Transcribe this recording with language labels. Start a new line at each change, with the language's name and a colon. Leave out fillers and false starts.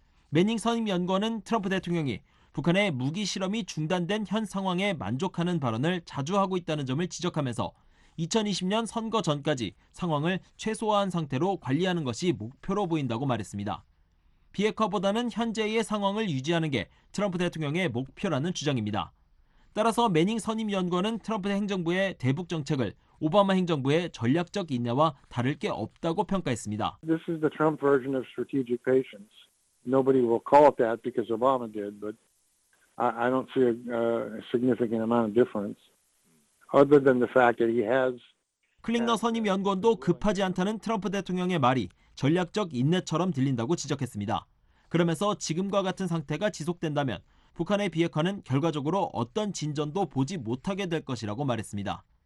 Korean: 매닝 선임연구원은 트럼프 대통령이 북한의 무기 실험이 중단된 현 상황에 만족하는 발언을 자주 하고 있다는 점을 지적하면서 2020년 선거 전까지 상황을 최소화한 상태로 관리하는 것이 목표로 보인다고 말했습니다. 비핵화보다는 현재의 상황을 유지하는 게 트럼프 대통령의 목표라는 주장입니다. 따라서 매닝 선임연구원은 트럼프 행정부의 대북 정책을 오바마 행정부의 전략적 인내와 다를 게 없다고 평가했습니다.
English: This is the Trump version of strategic patience. Nobody will call it that because Obama did, but I don't see a significant amount of difference. Other than the fact that he has
Korean: 클링너 선임 연구원도 급하지 않다는 트럼프 대통령의 말이 전략적 인내처럼 들린다고 지적했습니다. 그러면서 지금과 같은 상태가 지속된다면 북한의 비핵화는 결과적으로 어떤 진전도 보지 못하게 될 것이라고 말했습니다.